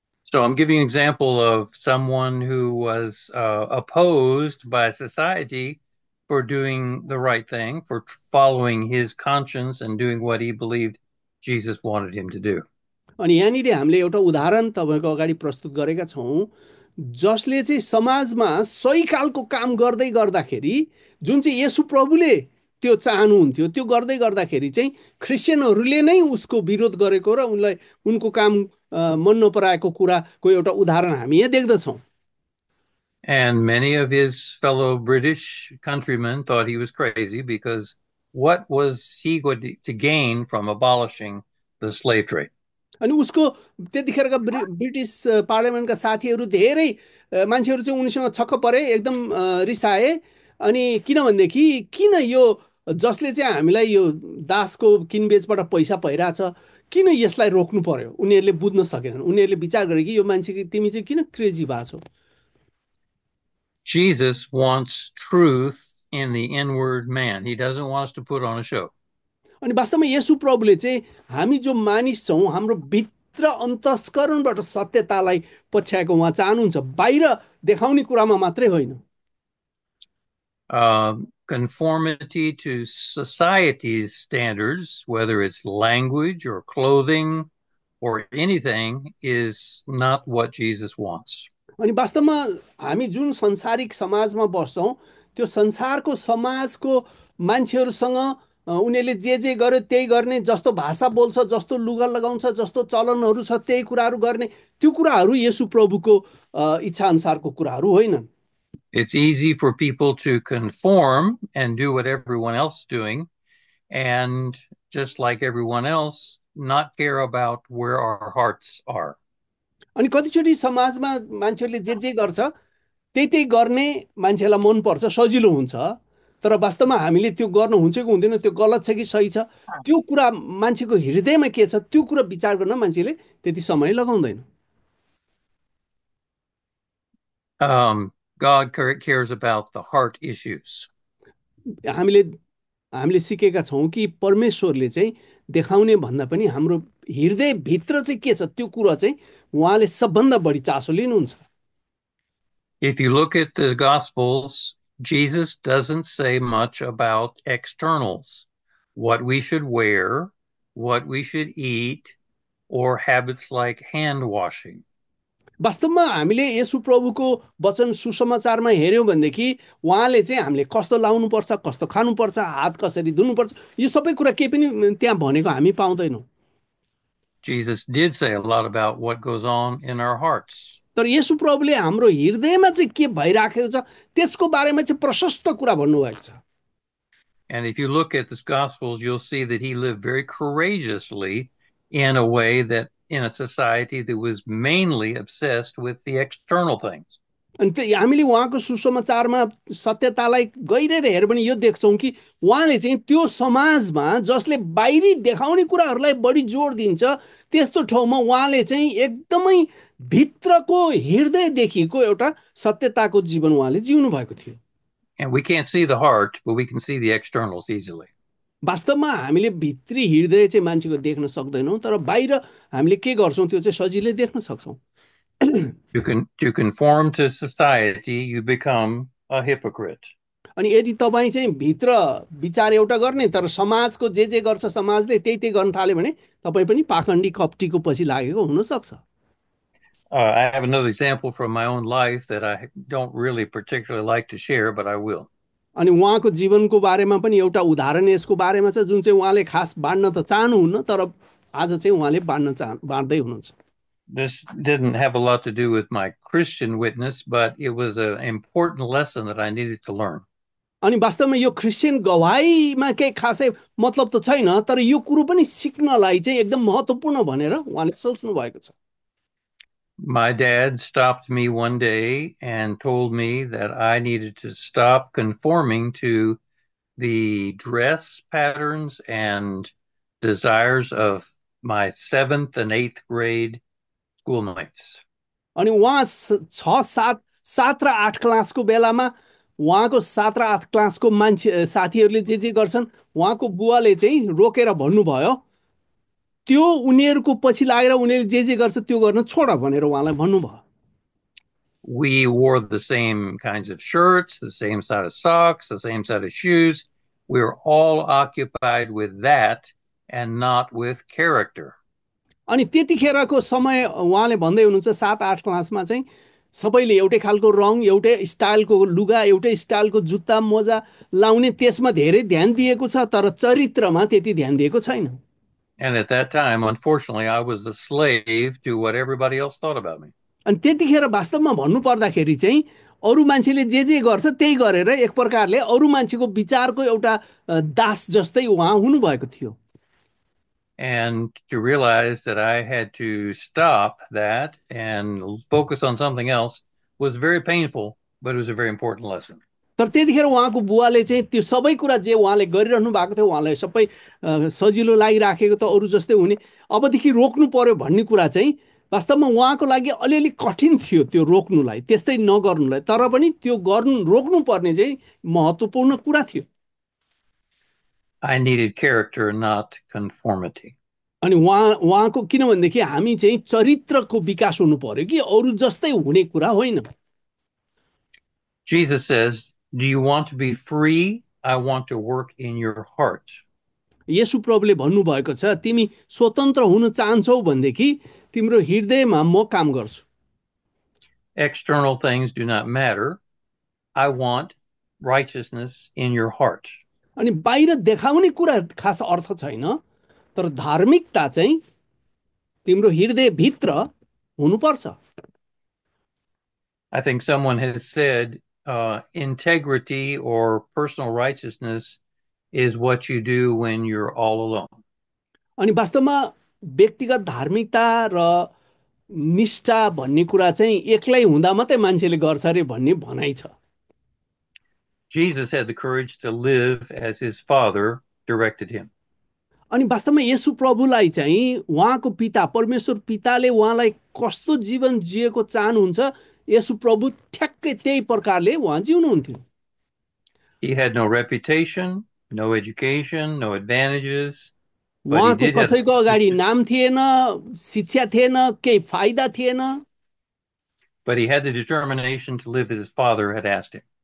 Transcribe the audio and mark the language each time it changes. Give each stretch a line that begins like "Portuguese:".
English: So I'm giving an example of someone who was opposed by society for doing the right thing, for following his conscience and doing what he believed Jesus wanted him to do.
Nepali: अनि यहाँनिर हामीले एउटा उदाहरण तपाईँको अगाडि प्रस्तुत गरेका छौँ जसले चाहिँ समाजमा सही खालको काम गर्दै गर्दाखेरि जुन चाहिँ येशु प्रभुले त्यो चाहनुहुन्थ्यो त्यो गर्दै गर्दाखेरि चाहिँ क्रिस्चियनहरूले नै उसको विरोध गरेको र उनलाई उनको काम मन नपराएको कुराको एउटा उदाहरण हामी यहाँ देख्दछौँ।
English: And many of his fellow British countrymen thought he was crazy because what was he going to gain from abolishing the slave trade?
Nepali: अनि उसको त्यतिखेरका ब्रिटिस पार्लियामेन्टका साथीहरू धेरै मान्छेहरू चाहिँ उनीसँग छक्क परे, एकदम रिसाए, अनि किनभनेदेखि किन यो जसले चाहिँ हामीलाई यो दासको किनबेचबाट पैसा पाइरहेछ किन यसलाई रोक्नु पर्यो, उनीहरूले बुझ्न सकेनन्। उनीहरूले विचार गरे कि यो मान्छे तिमी चाहिँ किन क्रेजी भएको छौ।
English: Jesus wants truth in the inward man. He doesn't want us to put on a show.
Nepali: अनि वास्तवमा येशु प्रभुले चाहिँ हामी जो मानिस छौँ हाम्रो भित्र अन्तस्करणबाट सत्यतालाई पछ्याएको उहाँ चाहनुहुन्छ, बाहिर देखाउने कुरामा मात्रै होइन।
English: Conformity to society's standards, whether it's language or clothing or anything, is not what Jesus wants.
Nepali: अनि वास्तवमा हामी जुन संसारिक समाजमा बस्छौँ त्यो संसारको समाजको मान्छेहरूसँग उनीहरूले जे जे गर्यो त्यही गर्ने, जस्तो भाषा बोल्छ, जस्तो लुगा लगाउँछ, जस्तो चलनहरू छ त्यही कुराहरू गर्ने, त्यो कुराहरू येशु प्रभुको इच्छा अनुसारको कुराहरू होइनन्।
English: It's easy for people to conform and do what everyone else is doing, and just like everyone else, not care about where our hearts are.
Nepali: अनि कतिचोटि समाजमा मान्छेहरूले जे जे गर्छ त्यही त्यही गर्ने मान्छेलाई मन पर्छ, सजिलो हुन्छ, तर वास्तवमा हामीले त्यो गर्न हुन्छ कि हुँदैन, त्यो गलत छ कि सही छ, त्यो कुरा मान्छेको हृदयमा के छ त्यो कुरा विचार गर्न मान्छेले त्यति समय लगाउँदैन।
English: God cares about the heart issues.
Nepali: हामीले सिकेका छौँ कि परमेश्वरले चाहिँ देखाउने भन्दा पनि हाम्रो हृदयभित्र चाहिँ के छ त्यो कुरा चाहिँ उहाँले सबभन्दा बढी चासो लिनुहुन्छ।
English: If you look at the Gospels, Jesus doesn't say much about externals, what we should wear, what we should eat, or habits like hand washing.
Nepali: वास्तवमा हामीले येशु प्रभुको वचन सुसमाचारमा हेऱ्यौँ भनेदेखि उहाँले चाहिँ हामीले कस्तो लाउनुपर्छ, कस्तो खानुपर्छ, हात कसरी धुनुपर्छ, यो सबै कुरा केही पनि त्यहाँ भनेको हामी पाउँदैनौँ।
English: Jesus did say a lot about what goes on in our hearts.
Nepali: तर येशु प्रभुले हाम्रो हृदयमा चाहिँ के भइराखेको छ त्यसको बारेमा चाहिँ प्रशस्त कुरा भन्नुभएको छ।
English: And if you look at the Gospels, you'll see that he lived very courageously in a way that in a society that was mainly obsessed with the external things.
Nepali: अनि त्यो हामीले उहाँको सुसमाचारमा सत्यतालाई गहिरेर हेर पनि यो देख्छौँ कि उहाँले चाहिँ त्यो समाजमा जसले बाहिरी देखाउने कुराहरूलाई बढी जोड दिन्छ त्यस्तो ठाउँमा उहाँले चाहिँ एकदमै भित्रको हृदयदेखिको एउटा सत्यताको जीवन उहाँले जिउनु भएको थियो।
English: And we can't see the heart, but we can see the externals easily.
Nepali: वास्तवमा हामीले भित्री हृदय चाहिँ मान्छेको देख्न सक्दैनौँ, तर बाहिर हामीले के गर्छौँ त्यो चाहिँ सजिलै देख्न सक्छौँ।
English: To conform to society, you become a hypocrite.
Nepali: अनि यदि तपाईँ चाहिँ भित्र विचार एउटा गर्ने तर समाजको जे जे गर्छ समाजले त्यही त्यही गर्न थाल्यो भने तपाईँ पनि पाखण्डी कप्टीको पछि लागेको हुनसक्छ।
English: I have another example from my own life that I don't really particularly like to share, but I will.
Nepali: अनि उहाँको जीवनको बारेमा पनि एउटा उदाहरण यसको बारेमा छ जुन चाहिँ उहाँले खास बाँड्न त चाहनुहुन्न तर आज चाहिँ उहाँले बाँड्न चाह बाँड्दै हुनुहुन्छ।
English: This didn't have a lot to do with my Christian witness, but it was an important lesson that I needed to learn.
Nepali: अनि वास्तवमा यो क्रिस्चियन गवाहीमा केही खासै मतलब त छैन तर यो कुरो पनि सिक्नलाई चाहिँ एकदम महत्त्वपूर्ण भनेर उहाँले सोच्नु भएको छ।
English: My dad stopped me one day and told me that I needed to stop conforming to the dress patterns and desires of my 7th and 8th grade schoolmates.
Nepali: अनि उहाँ 6, 7, 7 र 8 क्लासको बेलामा उहाँको 7 र 8 क्लासको मान्छे साथीहरूले जे जे गर्छन् उहाँको बुवाले चाहिँ रोकेर भन्नुभयो त्यो उनीहरूको पछि लागेर उनीहरूले जे जे गर्छ त्यो गर्न छोड भनेर उहाँलाई भन्नुभयो।
English: We wore the same kinds of shirts, the same set of socks, the same set of shoes. We were all occupied with that and not with character.
Nepali: अनि त्यतिखेरको समय उहाँले भन्दै हुनुहुन्छ 7 8 क्लासमा चाहिँ सबैले एउटै खालको रङ, एउटै स्टाइलको लुगा, एउटै स्टाइलको जुत्ता मोजा लाउने, त्यसमा धेरै ध्यान दिएको छ तर चरित्रमा त्यति ध्यान दिएको छैन।
English: And at that time, unfortunately, I was a slave to what everybody else thought about me.
Nepali: अनि त्यतिखेर वास्तवमा भन्नु पर्दाखेरि चाहिँ अरू मान्छेले जे जे गर्छ त्यही गरेर एक प्रकारले अरू मान्छेको विचारको एउटा दास जस्तै उहाँ हुनुभएको थियो।
English: And to realize that I had to stop that and focus on something else was very painful, but it was a very important lesson.
Nepali: तर त्यतिखेर उहाँको बुवाले चाहिँ त्यो सबै कुरा जे उहाँले गरिरहनु भएको थियो उहाँलाई सबै सजिलो लागिराखेको त अरू जस्तै हुने, अबदेखि रोक्नु पर्यो भन्ने कुरा चाहिँ वास्तवमा उहाँको लागि अलिअलि कठिन थियो त्यो रोक्नुलाई, त्यस्तै नगर्नुलाई, तर पनि त्यो गर्नु रोक्नु पर्ने चाहिँ महत्त्वपूर्ण कुरा थियो।
English: I needed character, not conformity.
Nepali: अनि उहाँको किनभनेदेखि हामी चाहिँ चरित्रको विकास हुनु पर्यो कि अरू जस्तै हुने कुरा होइन।
English: Jesus says, "Do you want to be free? I want to work in your heart."
Nepali: येशुप्रभुले भन्नुभएको छ, तिमी स्वतन्त्र हुन चाहन्छौ भनेदेखि तिम्रो हृदयमा म काम गर्छु।
English: External things do not matter. I want righteousness in your heart.
Nepali: अनि बाहिर देखाउने कुरा खास अर्थ छैन, तर धार्मिकता चाहिँ तिम्रो हृदयभित्र हुनुपर्छ।
English: I think someone has said integrity or personal righteousness is what you do when you're all alone.
Nepali: अनि वास्तवमा व्यक्तिगत धार्मिकता र निष्ठा भन्ने कुरा चाहिँ एक्लै हुँदा मात्रै मान्छेले गर्छ अरे भन्ने भनाइ छ।
English: Jesus had the courage to live as his father directed him.
Nepali: अनि वास्तवमा येशु प्रभुलाई चाहिँ उहाँको पिता परमेश्वर पिताले उहाँलाई कस्तो जीवन जिएको चाहनुहुन्छ, येशु प्रभु ठ्याक्कै त्यही प्रकारले उहाँ जिउनुहुन्थ्यो।
English: He had no reputation, no education, no advantages, but he
Nepali: उहाँको
English: did have
Nepali: कसैको अगाडि
English: the
Nepali: नाम थिएन, शिक्षा थिएन, केही फाइदा थिएन,
English: But he had the determination to live as his father had asked him.